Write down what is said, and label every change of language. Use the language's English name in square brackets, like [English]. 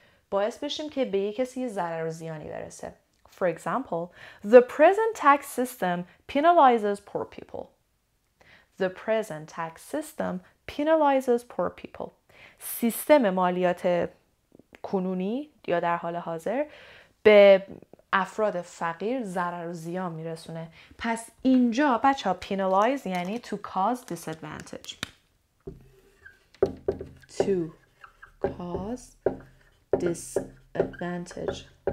[Persian] باعث بشیم که به یک کسی ضرر و زیانی برسه. [English] For example, the present tax system penalizes poor people. [Persian] سیستم مالیات کنونی یا در حال حاضر به افراد فقیر ضرر و زیان میرسونه. پس اینجا بچه ها penalize یعنی [English] to cause disadvantage. To cause disadvantage.